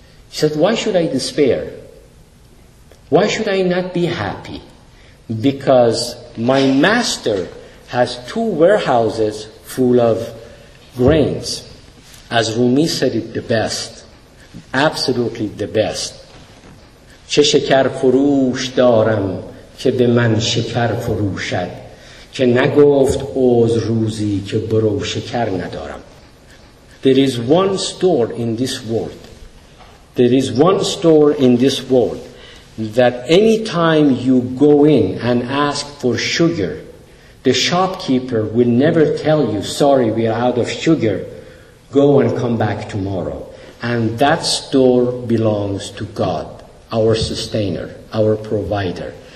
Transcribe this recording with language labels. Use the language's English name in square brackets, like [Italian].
[English] He said, "Why should I despair? Why should I not be happy? Because my master has two warehouses full of grains." As Rumi said it the best, absolutely the best. [Persian] چه شکر فروش دارم که به من شکر فروشد که نگفت از روزی که برو شکر ندارم. [English] There is one store in this world. There is one store in this world that any time you go in and ask for sugar, the shopkeeper will never tell you, "Sorry, we are out of sugar. Go and come back tomorrow." And that store belongs to God, our sustainer, our provider.